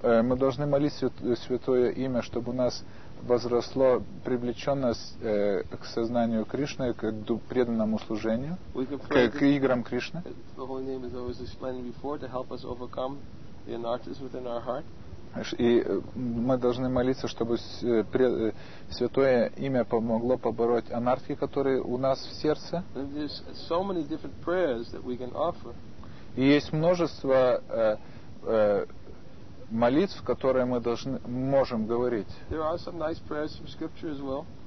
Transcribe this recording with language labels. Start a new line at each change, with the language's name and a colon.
Russian: Мы должны молить святое имя, чтобы у нас возросло привлеченность к сознанию Кришны, к преданному служению, к играм Кришны.
English: The Holy Name is always explaining before to help us overcome the anarthas within our heart.
Russian: И мы должны молиться, чтобы святое имя помогло побороть анархии, которые у нас в сердце.
English: So many different prayers that we can offer.
Russian: И есть множество молитв, которые мы должны, можем говорить.
English: There are some nice prayers from scripture as well.